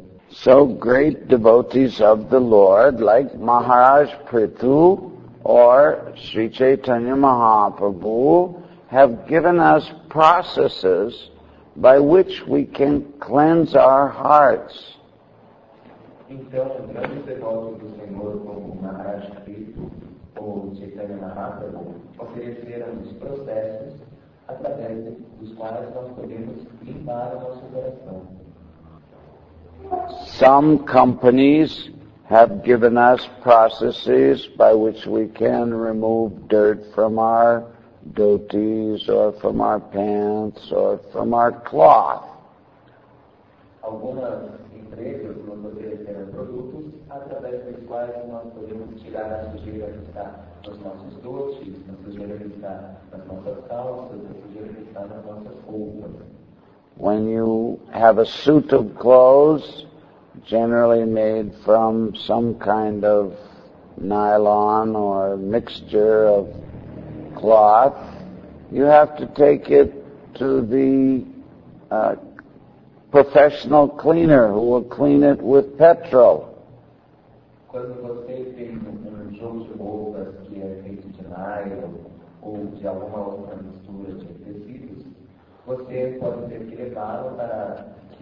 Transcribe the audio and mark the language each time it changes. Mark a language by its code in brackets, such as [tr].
[en] So great devotees of the Lord, like Maharaj Prithu or Sri Chaitanya Mahaprabhu, have given us processes by which we can cleanse our hearts. [pt] Então, grandes devotos do Senhor, como Maharaj Prithu ou Chaitanya Mahaprabhu, ofereceram os processos através dos quais nós podemos limpar o nosso coração. [en] Some companies have given us processes by which we can remove dirt from our dhotis or from our pants or from our cloth. [pt] Algumas empresas nos ofereceram produtos através dos quais nós podemos tirar a sujeira que está nos nossos dhotis, a sujeira que está nas nossas calças, a sujeira que está nas nossas roupas. [en] When you have a suit of clothes, generally made from some kind of nylon or mixture of cloth, you have to take it to the professional cleaner who will clean it with petrol. [pt] Quando você tem um jogo de roupas que é feito de nylon ou de alguma outra mistura de tecidos, você pode ter que levá-lo para